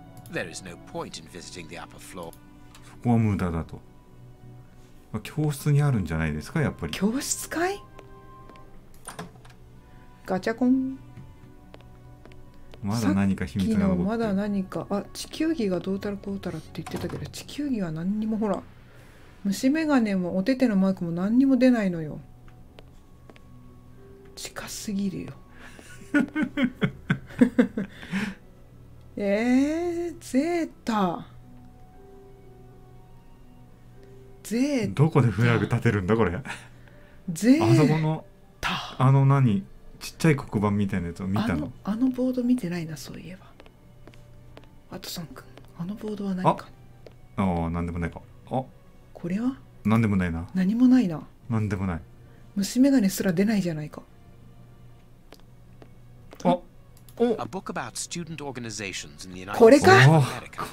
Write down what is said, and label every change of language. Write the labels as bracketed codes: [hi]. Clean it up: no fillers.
[en] There is no point in visiting the upper floor. [ja] そこは無駄だと。教室にあるんじゃないですか、やっぱり。教室かい？ガチャコン。まだ何か秘密が残ってる。まだ何か。あ、地球儀がどうたらこうたらって言ってたけど、地球儀は何にも、ほら、虫眼鏡もお手手のマークも何にも出ないのよ。近すぎるよ。ゼータ。ゼータ。どこでフラグ立てるんだこれ。ゼータ。あそこの、あの何、ちっちゃい黒板みたいなやつを見たの。あのボード見てないな、そういえば。ワトソン君、あのボードは何か。ああ、なんでもないか。あ、これは？なんでもないな。何もないな。なんでもない。虫眼鏡すら出ないじゃないか。 [en] A book about student organizations in the United States of America.